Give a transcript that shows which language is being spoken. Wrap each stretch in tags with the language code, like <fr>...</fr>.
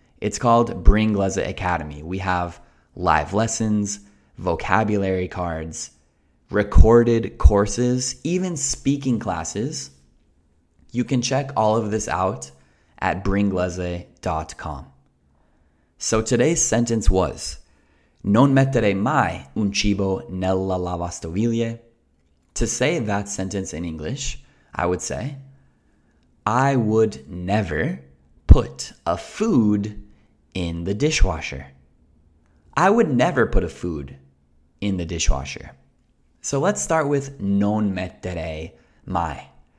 <en>It's called Bringlese Academy. We have live lessons, vocabulary cards, recorded courses, even speaking classes. You can check all of this out at bringlese.com. So today's sentence was,</en> <it>non mettere mai un cibo nella lavastoviglie.</it> <en>To say that sentence in English, I would say, I would never put a food in the dishwasher. I would never put a food in the dishwasher. So let's start with</en> <it>non mettere mai.</it>